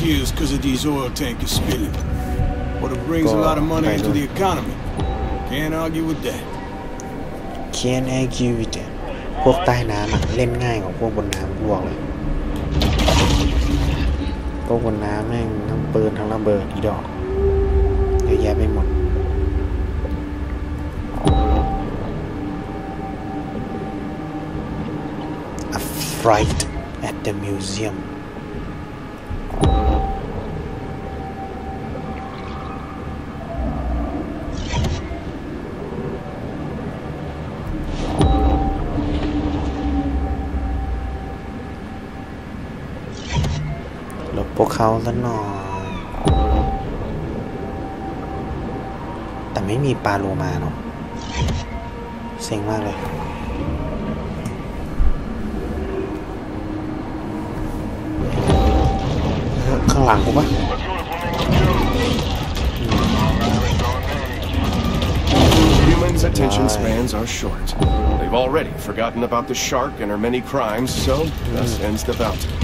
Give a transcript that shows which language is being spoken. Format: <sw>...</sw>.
<en>Because of these oil tankers spilling. But it brings a lot of money into the economy. Can't argue with that. Can't argue with that.</en> <th>พวกใต้น้ำอ่ะเล่นง่ายกว่าพวกบนน้ำบวกเลยพวกบนน้ำแม่งทั้งปืนทั้งระเบิดอีดอกเยอะแยะไปหมด</th> <en>A fright at the museum</en> <th>พวกเขาซะหน่อยแต่ไม่มีปลาโลมาเนาะเซ็งมากเลยข้างหลังกูปะ</th> <en>Humans' attention spans are short. They've already forgotten about the shark and her many crimes, so thus ends the bout.</en>